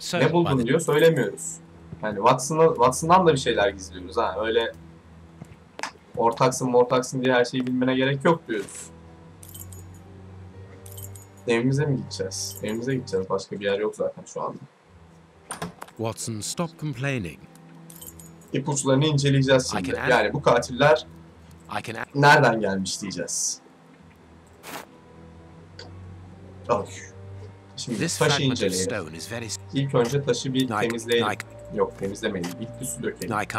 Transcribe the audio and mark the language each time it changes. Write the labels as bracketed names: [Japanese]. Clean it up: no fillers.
[Turkish] Ne buldun diyor, söylemiyoruz. Yani Watson'dan da bir şeyler gizliyoruz ha. Öyle ortaksın, ortaksın diye her şeyi bilmene gerek yok diyoruz. Evimize mi gideceğiz? Evimize gideceğiz. Başka bir yer yok zaten şu anda. [English] Watson, stop complaining. [Turkish] İpuçlarını inceleyeceğiz şimdi. Yani bu katiller nereden gelmiş diyeceğiz. Ay. Şimdi taşı inceleyelim. İlk önce taşı bir temizleyelim. Yok temizlemeyelim. İlk bir su dökelim.